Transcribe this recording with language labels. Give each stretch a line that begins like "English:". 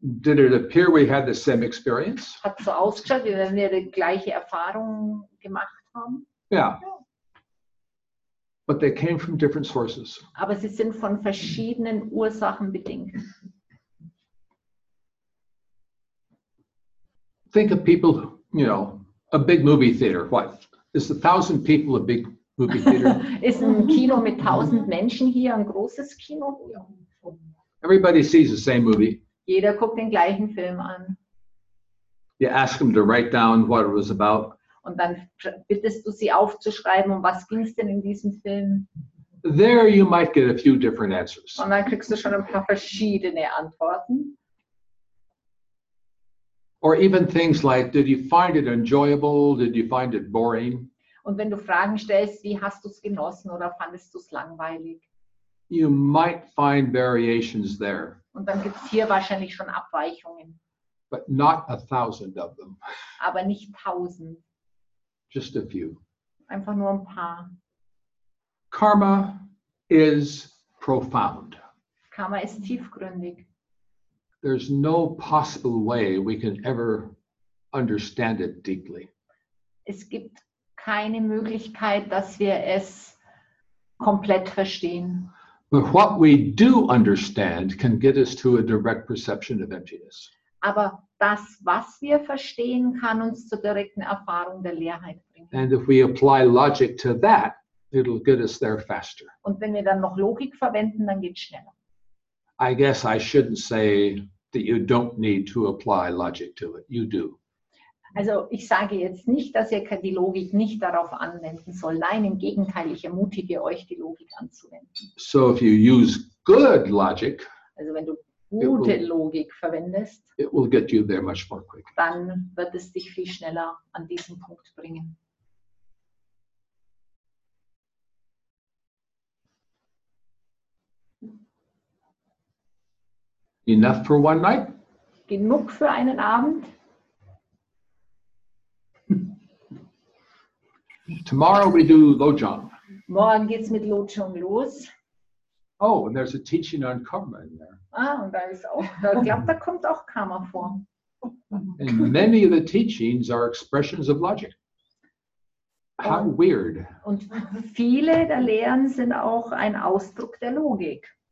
English: Did it appear we had the same experience?
German: Hat so ausgeschaut, wie wenn wir die gleiche Erfahrung gemacht haben?
English: Yeah. But they came from different sources.
German: Aber sie sind von verschiedenen Ursachen bedingt.
English: Think of people, you know, a big movie theater. What? Is 1,000 people a big movie theater?
German: Ist ein Kino mit 1,000 Menschen hier ein großes Kino?
English: Everybody sees the same movie.
German: Jeder guckt den gleichen Film an.
English: You ask them to write down what it was about.
German: Und dann bittest du sie aufzuschreiben, um was ging es denn in diesem Film?
English: There you might get a few different answers.
German: Und dann kriegst du schon ein paar verschiedene Antworten.
English: Or even things like, did you find it enjoyable? Did you find it boring?
German: Und wenn du Fragen stellst, wie hast du es genossen oder fandest du es langweilig?
English: You might find variations there.
German: Und dann gibt es hier wahrscheinlich schon Abweichungen.
English: But not 1,000 of them.
German: Aber nicht 1,000.
English: Just a few.
German: Einfach nur ein paar.
English: Karma is profound.
German: Karma ist tiefgründig.
English: There's no possible way we can ever understand it deeply.
German: Es gibt keine Möglichkeit, dass wir es komplett verstehen.
English: But what we do understand can get us to a direct perception of emptiness.
German: Aber das, was wir verstehen, kann uns zur direkten Erfahrung der Leerheit bringen.
English: And if we apply logic to that, it'll get us there faster.
German: Und wenn wir dann noch Logik verwenden, dann geht's schneller.
English: I guess I shouldn't say that you don't need to apply logic to it. You do.
German: Also, ich sage jetzt nicht, dass ihr die Logik nicht darauf anwenden soll. Nein, im Gegenteil, ich ermutige euch, die Logik anzuwenden.
English: So if you use good logic,
German: also wenn du gute Logik verwendest,
English: it will get you there much more quickly.
German: Dann wird es dich viel schneller an diesen Punkt bringen.
English: Enough for one night?
German: Genug für einen Abend?
English: Tomorrow we do Lojong.
German: Morgen geht's mit Lojong los.
English: Oh, and there's a teaching on karma in there.
German: Ah, und da ist auch, da, ich glaube, da kommt auch Karma vor.
English: And many of the teachings are expressions of logic. How weird.
German: Und viele der Lehren sind auch ein Ausdruck der Logik.